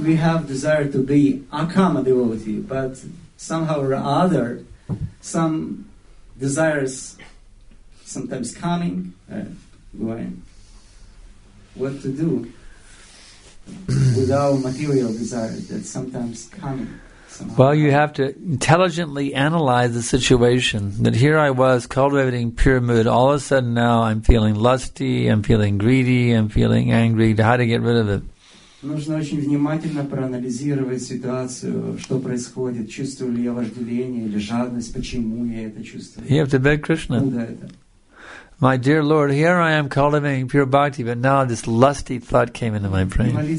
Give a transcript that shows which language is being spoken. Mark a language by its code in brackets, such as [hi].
[en] we have desire to be akama devotee, but somehow or other, some desires sometimes coming, going, what to do with our material desires that sometimes coming? Well, you have to intelligently analyze the situation. That here I was cultivating pure mood. All of a sudden now I'm feeling lusty, I'm feeling greedy, I'm feeling angry. How to get rid of it? [ru] Нужно очень внимательно проанализировать ситуацию, что происходит. Чувствую ли я вожделение или жадность? Почему я это чувствую? [en] You have to beg Krishna. My dear Lord, here I am cultivating pure bhakti, but now this lusty thought came into my brain.